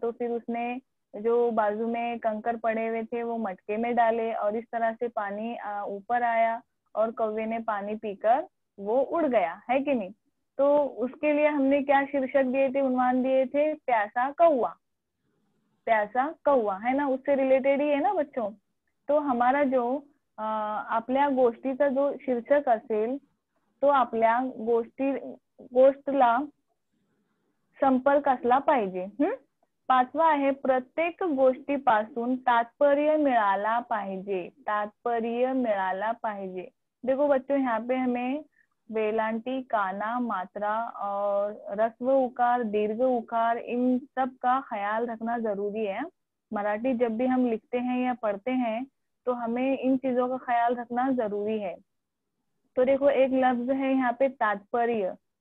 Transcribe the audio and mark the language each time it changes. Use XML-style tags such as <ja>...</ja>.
<hi>तो फिर उसने जो बाजू में कंकर पड़े हुए थे वो मटके में डाले और इस तरह से पानी ऊपर आया और कौवे ने पानी पीकर वो उड़ गया, है कि नहीं। तो उसके लिए हमने क्या शीर्षक दिए थे, उन्वान दिए थे, प्यासा कौवा। प्यासा कौवा है ना, उससे रिलेटेड ही है ना बच्चों। तो हमारा जो</hi> <mr>आपल्या गोष्टीचा जो शीर्षक असेल तो आपल्या गोष्टी गोष्टला संपर्क असला पाहिजे। पाचवा आहे, प्रत्येक गोष्टी पासून तात्पर्य मिळाला पाहिजे। तात्पर्य मिळाला पाहिजे।</mr> <hi>देखो बच्चों, यहाँ पे हमें वेलांटी, काना, मात्रा और ह्रस्व उकार, दीर्घ उकार, इन सब का ख्याल रखना जरूरी है। मराठी जब भी हम लिखते हैं या पढ़ते हैं तो हमें इन चीजों का ख्याल रखना जरूरी है। तो देखो, एक लफ्ज है यहाँ पे तात्पर्य।</hi>